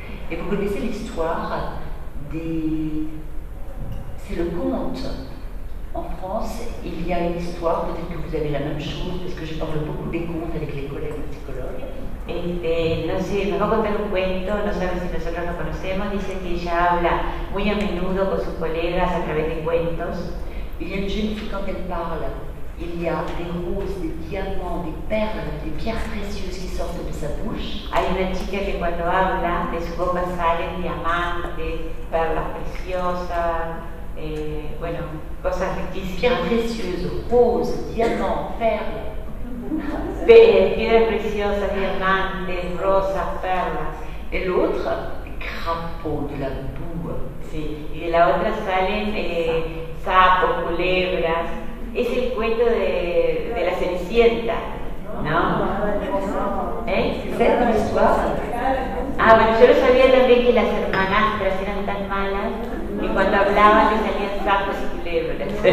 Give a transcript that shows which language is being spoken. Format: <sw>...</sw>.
<fr>Et vous connaissez l'histoire des... C'est le conte. En France, il y a une histoire, peut-être que vous avez la même chose, parce que je parle beaucoup des contes avec les collègues psychologues.</fr> <es>No sé, me va a contar un cuento, no sabe si nosotros lo conocemos, dice que ella habla muy a menudo con sus colegas a través de cuentos.</es> <fr>Il y a une jeune fille, quand elle parle, Il y a des roses, des diamants, des perles, des pierres précieuses qui sortent de sa bouche.</fr> <es>Hay una chica que cuando habla, de su boca salen diamantes, perlas preciosas, bueno, cosas riquísimas.</es> <fr>Pierres précieuses, roses, diamants, perles.</fr> <es>Pierres preciosas, diamantes, rosas, perlas.</es> <fr>Et l'autre, des crapauds, de la boue.</fr> <es>Sí. Y de la otra salen sapos, culebras. Es el cuento de la Cenicienta, ¿no? ¿Eh? ¿Es la historia? Ah, bueno, yo lo sabía también que las hermanastras eran tan malas que cuando hablaban le salían sapos y culebras.</es>